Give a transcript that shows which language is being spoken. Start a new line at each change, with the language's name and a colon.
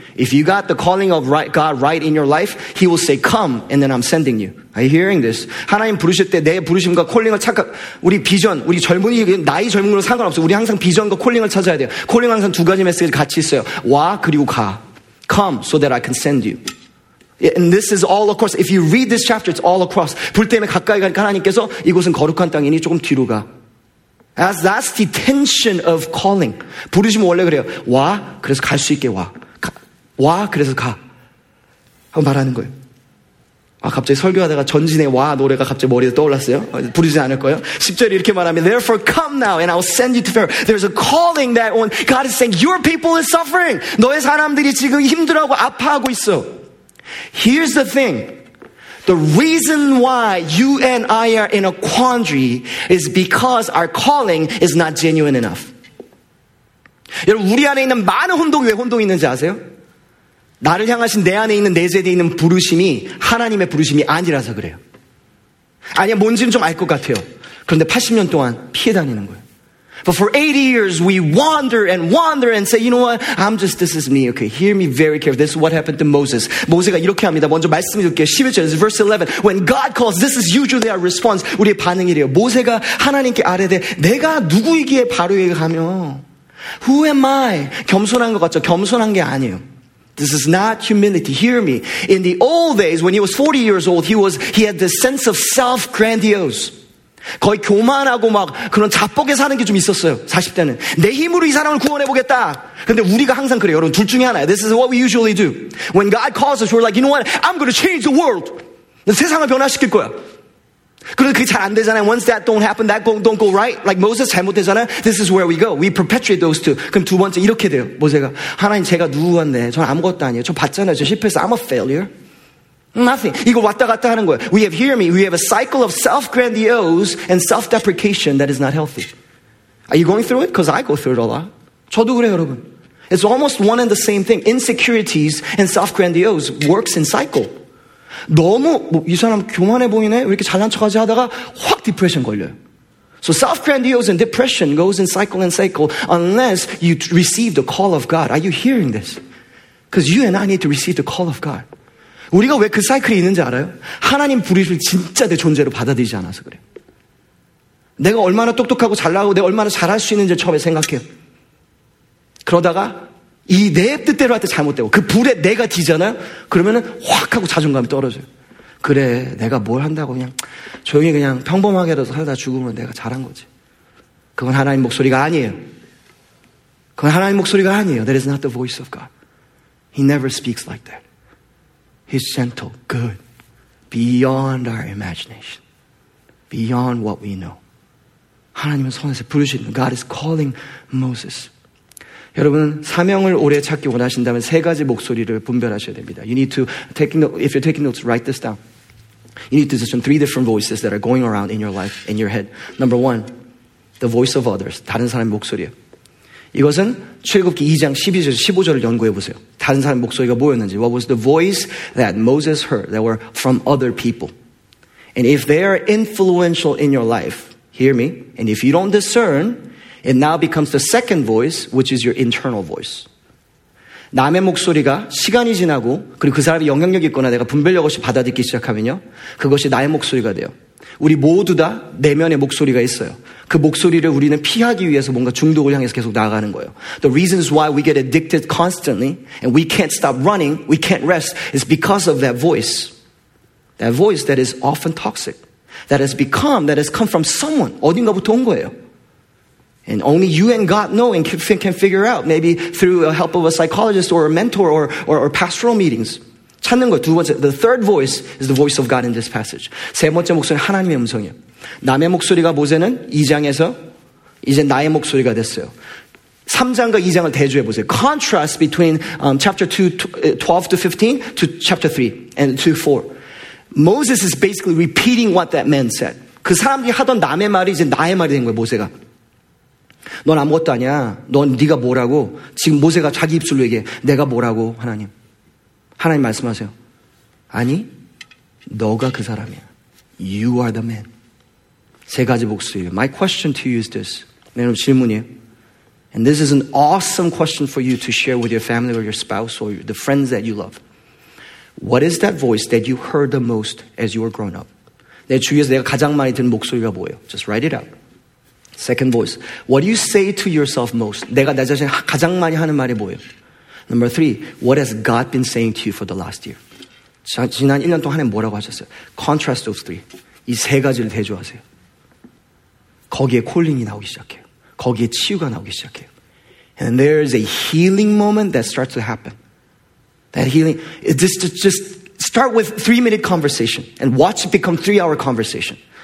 English: If you got the calling of God right in your life, he will say come and then I'm sending you. Are you hearing this?
Korean: 하나님 부르실 때 내 부르심과 콜링을 착각, 우리 비전, 우리 젊은이, 나이 젊은 건 상관없어요. 우리 항상 비전과 콜링을 찾아야 돼요. 콜링 항상 두 가지 메시지 같이 있어요. 와 그리고 가.
English: Come so that I can send you. And this is all across. If you read this chapter, it's all across.
Korean: 불 때문에 가까이 가니까 하나님께서 이곳은 거룩한 땅이니 조금 뒤로 가.
English: That's the tension of calling.
Korean: 부르시면 원래 그래요. 와, 그래서 갈 수 있게 와. 와, 그래서 가. 하고 말하는 거예요. 아, 갑자기 설교하다가 전진의 와 노래가 갑자기 머리에 떠올랐어요. 부르지 않을 거예요. 10절이 이렇게 말합니다.
English: Therefore come now and I will send you to Pharaoh. There's a calling that when God is saying your people is suffering.
Korean: 너의 사람들이 지금 힘들어하고 아파하고 있어.
English: Here's the thing. The reason why you and I are in a quandary is because our calling is not genuine enough.
Korean: 여러분 우리 안에 있는 많은 혼동이 왜 혼동이 있는지 아세요? 나를 향하신 내 안에 있는 내재되어 있는 부르심이 하나님의 부르심이 아니라서 그래요. 아니야 뭔지는 좀 알 것 같아요. 그런데 80년 동안 피해 다니는 거예요.
English: But for 80 years we wander and say, you know what? I'm just, this is me. Okay, hear me very carefully. This is what happened to Moses.
Korean: 모세가 이렇게 합니다. 먼저 말씀드릴게요.
English: 11절, this is verse 11. When God calls, this is usually our response.
Korean: 우리의 반응이래요. 모세가 하나님께 아뢰되 내가 누구이기에 바로에게 가며.
English: Who am I?
Korean: 겸손한 것 같죠? 겸손한 게 아니에요.
English: This is not humility. Hear me. In the old days, when he was 40 years old, he had this sense of self-grandiose.
Korean: 거의 교만하고 막 그런 자뻑에 사는 게 좀 있었어요. 40대는. 내 힘으로 이 사람을 구원해보겠다. 근데 우리가 항상 그래요. 여러분, 둘 중에 하나예요.
English: This is what we usually do. When God calls us, we're like, you know what? I'm going to change the world.
Korean: 세상을 변화시킬 거야. 그런데 그게 잘 안 되잖아요.
English: Once that don't happen, that don't go right. Like Moses
Korean: 잘못되잖아요.
English: This is where we go. We perpetuate those two.
Korean: 그럼 두 번째 이렇게 돼요. 모세가 하나님 제가 누구한데 저는 아무것도 아니에요. 저 봤잖아요. 저 실패했어.
English: I'm a failure. Nothing.
Korean: 이거 왔다 갔다 하는 거예요.
English: We have hear me. We have a cycle of self-grandiose and self-deprecation that is not healthy. Are you going through it? Because I go through it a lot.
Korean: 저도 그래요, 여러분.
English: It's almost one and the same thing. Insecurities and self-grandiose works in cycle.
Korean: 너무 뭐, 이 사람 교만해 보이네? 왜 이렇게 잘난 척하지 하다가 확 디프레션 걸려요.
English: So self-grandiose and depression goes in cycle and cycle unless you receive the call of God. Are you hearing this? Because you and I need to receive the call of God.
Korean: 우리가 왜 그 사이클이 있는지 알아요? 하나님 부르심을 진짜 내 존재로 받아들이지 않아서 그래요. 내가 얼마나 똑똑하고 잘나고 내가 얼마나 잘할 수 있는지 처음에 생각해요. 그러다가 이 내 뜻대로 할 때 잘못되고 그 불에 내가 지잖아요. 그러면은 확 하고 자존감이 떨어져요. 그래 내가 뭘 한다고 그냥 조용히 그냥 평범하게라도 살다 죽으면 내가 잘한 거지. 그건 하나님 목소리가 아니에요. 그건 하나님 목소리가 아니에요.
English: That is not the voice of God. He never speaks like that. He's gentle, good, beyond our imagination, beyond what we know.
Korean: 하나님은 선에서 부르시는
English: God is calling Moses.
Korean: 여러분 사명을 오래 찾기 원하신다면 세 가지 목소리를 분별하셔야 됩니다.
English: You need to take note. If you're taking notes, write this down. You need to discern three different voices that are going around in your life, in your head. Number one, the voice of others.
Korean: 다른 사람의 목소리요. 이것은 출애굽기 2장 12절 15절을 연구해 보세요. 다른 사람의 목소리가 뭐였는지.
English: What was the voice that Moses heard that were from other people? And if they are influential in your life, hear me. And if you don't discern, it now becomes the second voice, which is your internal voice.
Korean: 남의 목소리가 시간이 지나고 그리고 그 사람이 영향력이 있거나 내가 분별력 없이 받아들이기 시작하면요. 그것이 나의 목소리가 돼요. 우리 모두 다 내면의 목소리가 있어요. 그 목소리를 우리는 피하기 위해서 뭔가 중독을 향해서 계속 나아가는 거예요.
English: The reasons why we get addicted constantly and we can't stop running, we can't rest, is because of that voice. That voice that is often toxic. That has come from someone.
Korean: 어딘가부터 온 거예요.
English: And only you and God know and can figure out, maybe through the help of a psychologist or a mentor or pastoral meetings.
Korean: 찾는 거, 두 번째.
English: The third voice is the voice of God in this passage.
Korean: 세 번째 목소리는 하나님의 음성이에요. 남의 목소리가 모세는 2장에서 이제 나의 목소리가 됐어요. 3장과 2장을 대조해 보세요.
English: Contrast between chapter 2, 12 to 15 to chapter 3 and 2, 4. Moses is basically repeating what that man said.
Korean: 그 사람들이 하던 남의 말이 이제 나의 말이 된 거예요, 모세가. 넌 아무것도 아니야. 넌 네가 뭐라고. 지금 모세가 자기 입술로 얘기해. 내가 뭐라고 하나님. 하나님 말씀하세요. 아니 너가 그 사람이야.
English: You are the man.
Korean: 세 가지 목소리예요.
English: My question to you is this.
Korean: 네, 여러분 질문이에요.
English: And this is an awesome question for you to share with your family or your spouse or the friends that you love. What is that voice that you heard the most as you were grown up?
Korean: 내 주위에서 내가 가장 많이 듣는 목소리가 뭐예요?
English: Just write it out. Second voice. What do you say to yourself most?
Korean: 내가 나 자신 가장 많이 하는 말이 뭐예요?
English: Number three. What has God been saying to you for the last year?
Korean: 지난 1년 동안 하나님 뭐라고 하셨어요?
English: Contrast those three.
Korean: 이 세 가지를 대조하세요. 거기에 콜링이 나오기 시작해요. 거기에 치유가 나오기 시작해요.
English: And there is a healing moment that starts to happen. That healing, just start with 3-minute conversation and watch it become 3-hour conversation.